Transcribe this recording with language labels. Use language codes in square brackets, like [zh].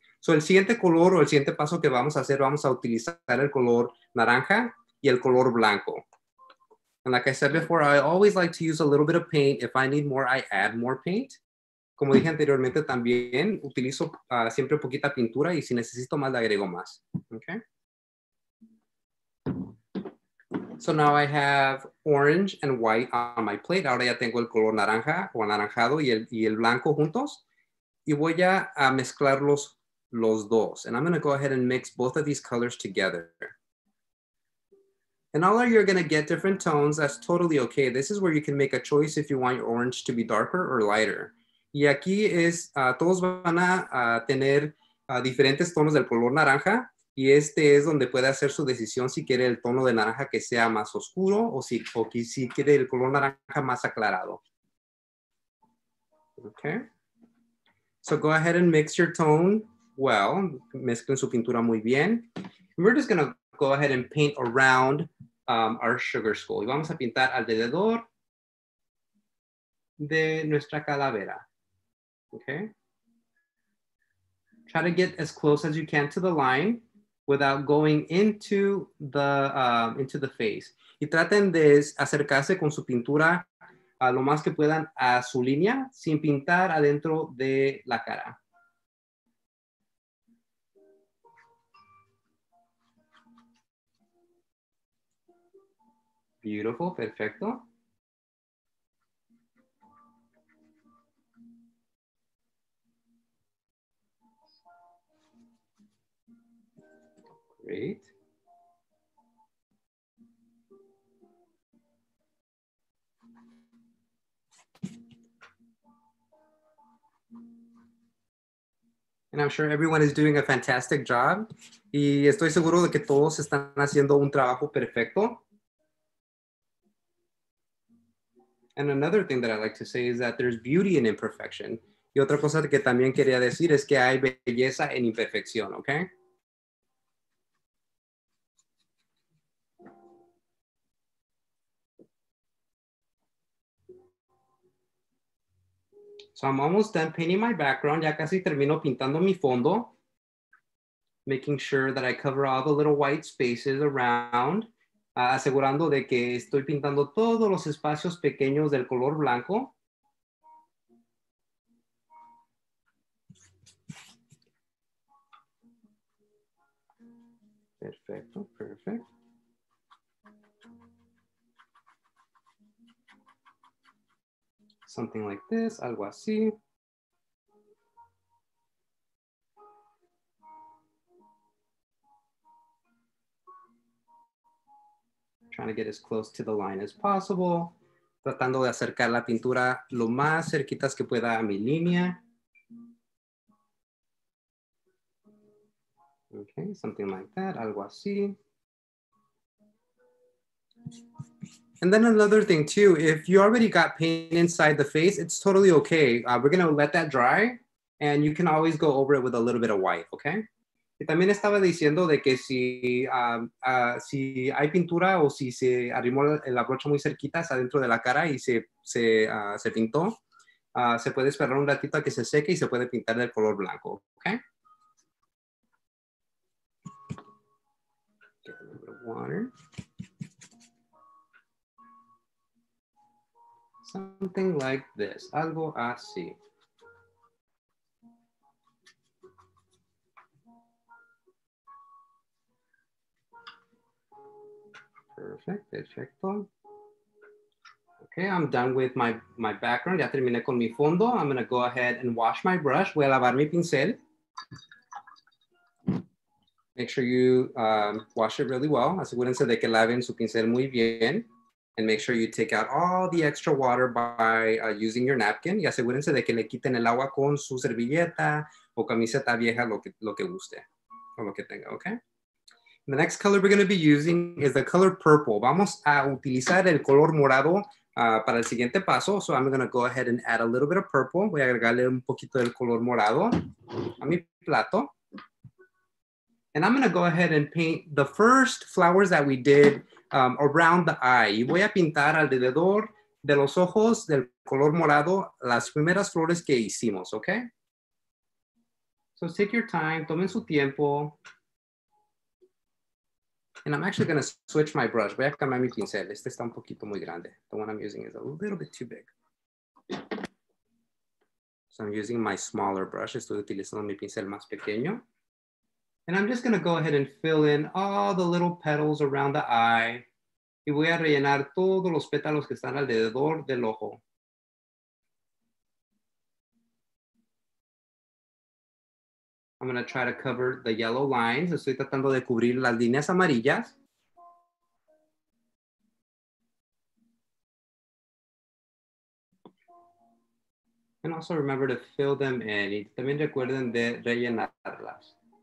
[es] So el siguiente color o el siguiente paso que vamos a hacer, vamos a utilizar el color naranja y el color blanco. [en] And like I said before, I always like to use a little bit of paint. If I need more, I add more paint. [es] Como dije anteriormente también, utilizo siempre poquita pintura y si necesito más, le agrego más. [en] Okay. So now I have orange and white on my plate. [es] Ahora ya tengo el color naranja o anaranjado y el blanco juntos. Y voy a mezclarlos los dos. [en] And I'm going to go ahead and mix both of these colors together. And all you're going to get different tones. That's totally okay. This is where you can make a choice if you want your orange to be darker or lighter. [es] Y aquí es, todos van a tener diferentes tonos del color naranja. Y este es donde puede hacer su decisión si quiere el tono de naranja que sea más oscuro o si quiere el color naranja más aclarado. [en] Okay. So go ahead and mix your tone. [es] Well, mezclen su pintura muy bien. [en] We're just gonna go ahead and paint around our sugar skull. [es] Y vamos a pintar alrededor de nuestra calavera, okay? [en] Try to get as close as you can to the line without going into the face. [es] Y traten de acercarse con su pintura a lo más que puedan a su línea sin pintar adentro de la cara. [en] Beautiful, perfecto. Great. And I'm sure everyone is doing a fantastic job. [es] Y estoy seguro de que todos están haciendo un trabajo perfecto. [en] And another thing that I like to say is that there's beauty in imperfection. [es] Y otra cosa que también quería decir es que hay belleza en imperfección, okay? [en] So I'm almost done painting my background. [es] Ya casi termino pintando mi fondo. [en] Making sure that I cover all the little white spaces around. [es] Asegurando de que estoy pintando todos los espacios pequeños del color blanco. Perfecto, perfecto. [en] Something like this, [es] algo así. [en] Trying to get as close to the line as possible. [es] Tratando de acercar la pintura lo más cerquitas que pueda a mi línea. [en] Okay, something like that, [es] algo así. [en] And then another thing too, if you already got paint inside the face, it's totally okay. We're gonna let that dry and you can always go over it with a little bit of white, okay? [es] Y también estaba diciendo de que si hay pintura o si se arrimó la brocha muy cerquita adentro de la cara y se pintó, se puede esperar un ratito a que se seque y se puede pintar del color blanco, okay? [en] Get a little bit of water. Something like this, [es] algo así. [en] Perfect, perfecto. Okay, I'm done with my background. [es] Ya terminé con mi fondo. [en] I'm gonna go ahead and wash my brush. [es] Voy a lavar mi pincel. [en] Make sure you wash it really well. [es] Asegúrense de que laven su pincel muy bien. [en] And make sure you take out all the extra water by using your napkin. [es] Y asegúrense de que le quiten el agua con su servilleta o camiseta vieja, lo que guste o lo que tenga, okay? [en] The next color we're going to be using is the color purple. [es] Vamos a utilizar el color morado para el siguiente paso. [en] So I'm going to go ahead and add a little bit of purple. [es] Voy a agregarle un poquito del color morado a mi plato. [en] And I'm going to go ahead and paint the first flowers that we did around the eye. [es] Y voy a pintar alrededor de los ojos del color morado las primeras flores que hicimos, okay? [en] So take your time, [es] tomen su tiempo. [en] And I'm actually gonna switch my brush. [es] Voy a cambiar mi pincel. Este está un poquito muy grande. [en] The one I'm using is a little bit too big. So I'm using my smaller brush. [es] Estoy utilizando mi pincel más pequeño. [en] And I'm just gonna go ahead and fill in all the little petals around the eye. [es] Y voy a rellenar todos los pétalos que están alrededor del ojo. [en] I'm gonna try to cover the yellow lines. [es] Estoy tratando de cubrir las líneas amarillas. [en] And also remember to fill them in. [es] Y también recuerden de rellenarlas.